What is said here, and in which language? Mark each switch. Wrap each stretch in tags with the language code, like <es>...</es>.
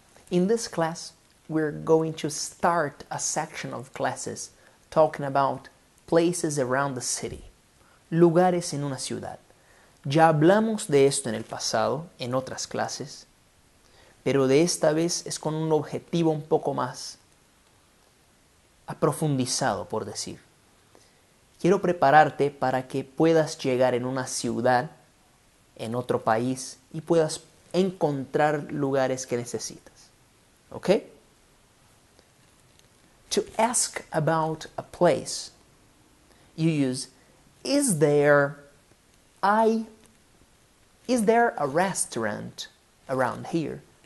<en>In this class, we're going to start a section of classes talking about places around the city.</en> <es>Lugares en una ciudad. Ya hablamos de esto en el pasado, en otras clases, pero de esta vez es con un objetivo un poco más aprofundizado, por decir. Quiero prepararte para que puedas llegar en una ciudad, en otro país, y puedas encontrar lugares que necesitas.</es> <en>Okay? To ask about a place, you use is there a restaurant around here?</en>